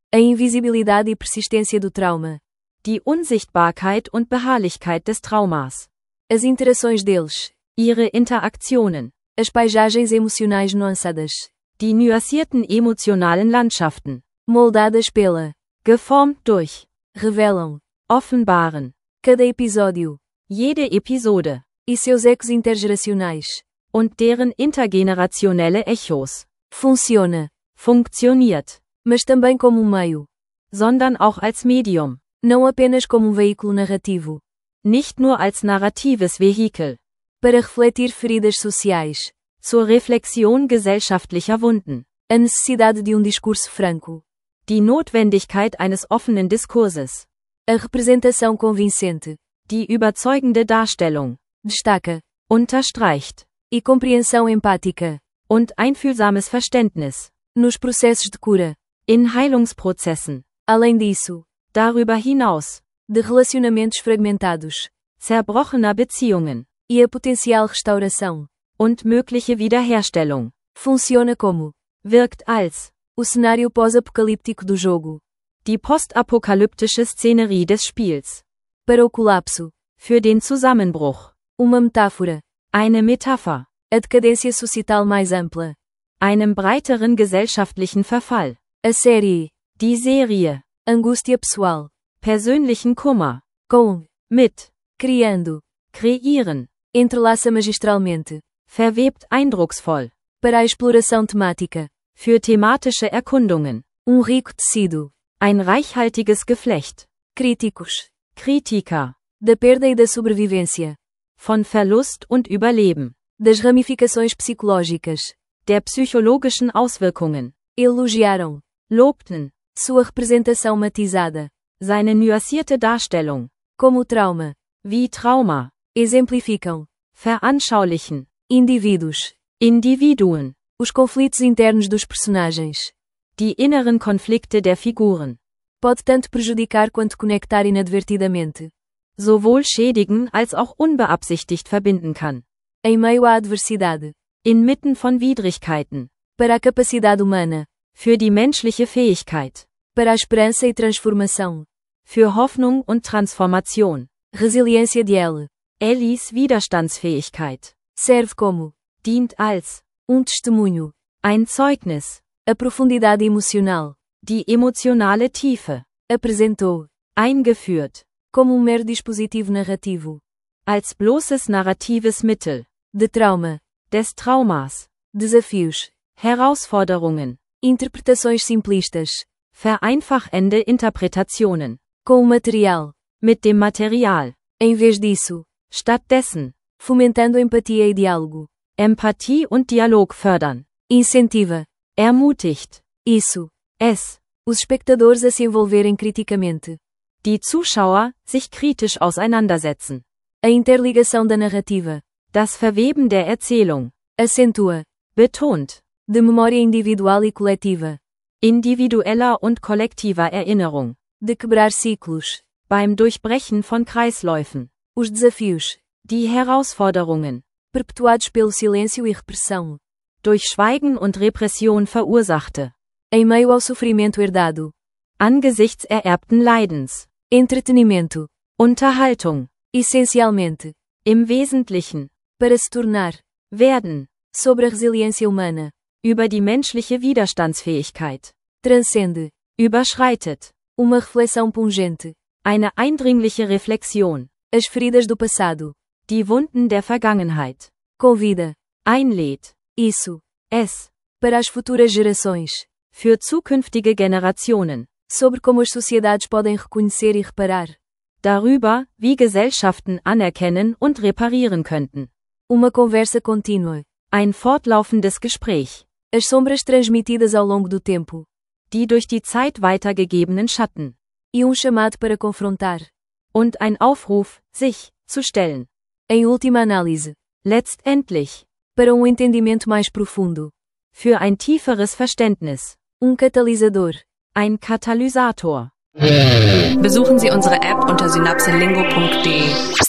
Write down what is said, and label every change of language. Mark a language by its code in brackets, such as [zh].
[pt] A invisibilidade e persistência do trauma. [de] Die Unsichtbarkeit und Beharrlichkeit des Traumas. [pt] As interações deles. [de] Ihre Interaktionen. [pt] As paisagens emocionais nuançadas. [de] Die nuancierten emotionalen Landschaften. [pt] Moldadas pela. [de] Geformt durch. [pt] Revelam. [de] Offenbaren. [pt] Cada episódio. [de] Jede Episode. [pt] E seus ecos intergeracionais. [de] Und deren intergenerationelle Echos. [pt] Funciona. [de] Funktioniert. [pt] Mas também como meio. [de] Sondern auch als Medium. [pt] Não apenas como veículo narrativo. [de] Nicht nur als narratives Vehikel. [pt] Para refletir feridas sociais. [de] Zur Reflexion gesellschaftlicher Wunden. [pt] A necessidade de discurso franco. [de] Die Notwendigkeit eines offenen Diskurses. [pt] A representação convincente. [de] Die überzeugende Darstellung. [pt] Destaca. [de] Unterstreicht. [pt] E compreensão empática. [de] Und einfühlsames Verständnis. [pt] Nos processos de cura. [de] In Heilungsprozessen. [pt] Além disso. [de] Darüber hinaus. [pt] De relacionamentos fragmentados. [de] Zerbrochener Beziehungen. [pt] E a potencial restauração. [de] Und mögliche Wiederherstellung. [pt] Funciona como. [de] Wirkt als. [pt] O cenário pós-apocalíptico do jogo. [de] Die postapokalyptische Szenerie des Spiels. [pt] Para o colapso. [de] Für den Zusammenbruch. [pt] Uma metáfora. [de] Eine Metapher. [pt] A decadência societal mais ampla. [de] Einem breiteren gesellschaftlichen Verfall. [pt] A série. [de] Die Serie. [pt] Angústia pessoal. [de] Persönlichen Kummer. [pt] Com. [de] Mit. [pt] Criando. [de] Kreieren. [pt] Entrelaça magistralmente. [de] Verwebt eindrucksvoll. [pt] Para a exploração temática. [de] Für thematische Erkundungen. [pt] Rico tecido. [de] Ein reichhaltiges Geflecht. [pt] Críticos. [de] Kritiker. [pt] Da perda e da sobrevivência. [de] Von Verlust und Überleben. [pt] Das ramificações psicológicas. [de] Der psychologischen Auswirkungen. [pt] Elogiaram. [de] Lobten. [pt] Sua representação matizada. [de] Seine nuancierte Darstellung. [pt] Como trauma. [de] Wie Trauma. [pt] Exemplificam. [de] Veranschaulichen. [pt] Indivíduos. [de] Individuen. [pt] Os conflitos internos dos personagens. [de] Die inneren Konflikte der Figuren. [pt] Pode tanto prejudicar quanto conectar inadvertidamente. [de] Sowohl schädigen als auch unbeabsichtigt verbinden kann. [pt] Em meio à adversidade. [de] Inmitten von Widrigkeiten. [pt] Para a capacidade humana. [de] Für die menschliche Fähigkeit. [pt] Para a esperança e transformação. [de] Für Hoffnung und Transformation. [pt] Resiliência de L. [de] Elis Widerstandsfähigkeit. [pt] Serve como. [de] Dient als. [pt] Testemunho. [de] Ein Zeugnis. [pt] A profundidade emocional. [de] Die emocionale Tiefe. [pt] Apresentou. [de] Eingeführt. [pt] Como mero dispositivo narrativo. [de] Als bloßes narratives Mittel. [pt] De trauma. [de] Des traumas. [pt] Desafios. [de] Herausforderungen. [pt] Interpretações simplistas. [de] Vereinfachende Interpretationen. [pt] Com o material. [de] Mit dem Material. [pt] Em vez disso. [de] Stattdessen. [pt] Fomentando empatia e diálogo. [de] Empathie und Dialog fördern. [pt] Incentiva. [de] Ermutigt. [pt] Isso. [de] Es. [pt] Os espectadores a se envolverem criticamente. [de] Die Zuschauer sich kritisch auseinandersetzen. [pt] A interligação da narrativa. [de] Das Verweben der Erzählung. [pt] Acentua. [de] Betont. [pt] De memória individual e coletiva. [de] Individueller und kollektiver Erinnerung. [pt] De quebrar ciclos. [de] Beim Durchbrechen von Kreisläufen. [pt] Os desafios. [de] Die Herausforderungen. [pt] Perpetuados pelo silêncio e repressão. [de] Durch Schweigen und Repression verursachte. [pt] Em meio ao sofrimento herdado. [de] Angesichts ererbten Leidens. [pt] Entretenimento. [de] Unterhaltung. [pt] Essencialmente. [de] Im Wesentlichen. [pt] Para se tornar. [de] Werden. [pt] Sobre a resiliência humana. [de] Über die menschliche Widerstandsfähigkeit. [pt] Transcende. [de] Überschreitet. [pt] Uma reflexão pungente. [de] Eine eindringliche Reflexion. [pt] As feridas do passado. [de] Die Wunden der Vergangenheit. [pt] Convida. [de] Einlädt. [pt] Isso. [de] Es. [pt] Para as futuras gerações. [de] Für zukünftige Generationen. [pt] Sobre como as sociedades podem reconhecer e reparar. [de] Darüber, wie Gesellschaften anerkennen und reparieren könnten. [pt] Uma conversa contínua. [de] Ein fortlaufendes Gespräch. [pt] As sombras transmitidas ao longo do tempo. [de] Die durch die Zeit weitergegebenen Schatten. [pt] E chamado para confrontar. [de] Und ein Aufruf, sich, zu stellen. [pt] Em última análise. [de] Letztendlich. [pt] Para entendimento mais profundo. [de] Für ein tieferes Verständnis. Katalysator. Ein Katalysator. Besuchen Sie unsere App unter synapsenlingo.de.